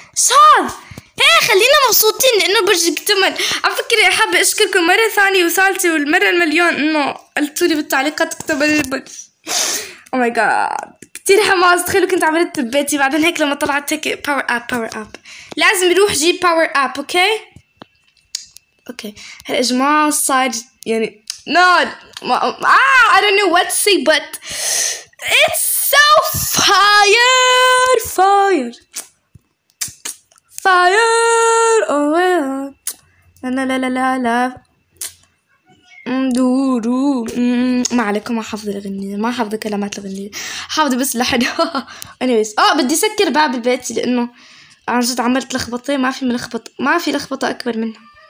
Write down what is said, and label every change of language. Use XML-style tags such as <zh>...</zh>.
<ar>صاد ايه خلينا مبسوطين لانه برج اكتمل. على فكره حابه اشكركم مره ثانيه وثالثه والمره المليون انه قلتوا لي بالتعليقات اكتمل البرج.</ar> <en>oh my god</en> <ar>كثير حماس، تخيلوا كنت عملت ببيتي بعدين هيك لما طلعت هيك</ar> <en>Power up power up.</en> <ar>لازم يروح جيب باور اب. اوكي اوكي هلا يا جماعه صار يعني نار</ar> <en>I don't know what to say but it's so fire fire fire.</en> <ar>اوه لا لا لا لا لا لا دورو ما عليكم، ما حافظ الغنية ما حافظ كلمات الغنية، حافظ بس لحد. anyways اوه بدي سكر باب البيت لانه عن جد عملت لخبطة، ما في ملخبط ما في لخبطة اكبر منها.</ar>